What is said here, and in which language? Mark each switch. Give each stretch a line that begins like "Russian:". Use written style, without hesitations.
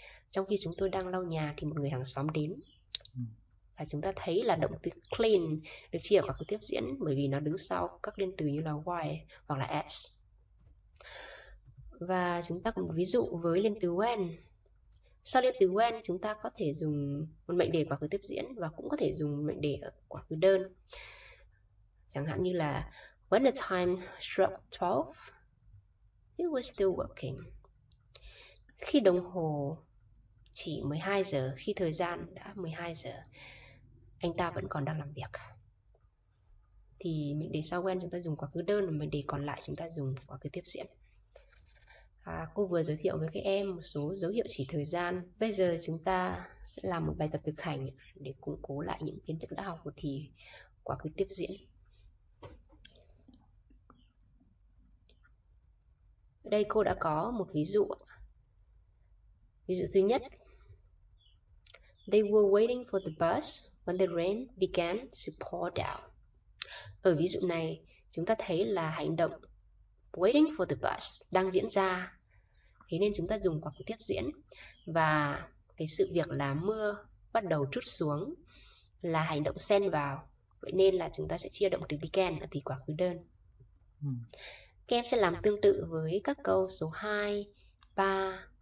Vietnamese: Trong khi chúng tôi đang lau nhà thì một người hàng xóm đến. Và chúng ta thấy là động từ clean được chia ở quá khứ tiếp diễn bởi vì nó đứng sau các liên từ như là why hoặc là as. Và chúng ta có một ví dụ với liên từ when. Sau liên từ when, chúng ta có thể dùng một mệnh đề quá khứ tiếp diễn và cũng có thể dùng mệnh đề ở quá khứ đơn. Chẳng hạn như là
English: when the time struck 12, he was still working.
Vietnamese: Khi đồng hồ chỉ 12 giờ, khi thời gian đã 12 giờ, anh ta vẫn còn đang làm việc. Thì mệnh đề sau when chúng ta dùng quá khứ đơn, mệnh đề còn lại chúng ta dùng quá khứ tiếp diễn. Cô vừa giới thiệu với các em một số dấu hiệu chỉ thời gian. Bây giờ chúng ta sẽ làm một bài tập thực hành để củng cố lại những kiến thức đã học của thì quá khứ tiếp diễn. Ở đây cô đã có một ví dụ. Ví dụ thứ nhất,
English: they were waiting for the bus when the rain began to pour down.
Vietnamese: Ở ví dụ này, chúng ta thấy là hành động
English: waiting for the bus
Vietnamese: đang diễn ra. Thế nên chúng ta dùng quá khứ tiếp diễn. Và cái sự việc là mưa bắt đầu trút xuống là hành động xen vào. Vậy nên là chúng ta sẽ chia động từ began ở thì quá khứ đơn. Các em sẽ làm tương tự với các câu số 2, 3,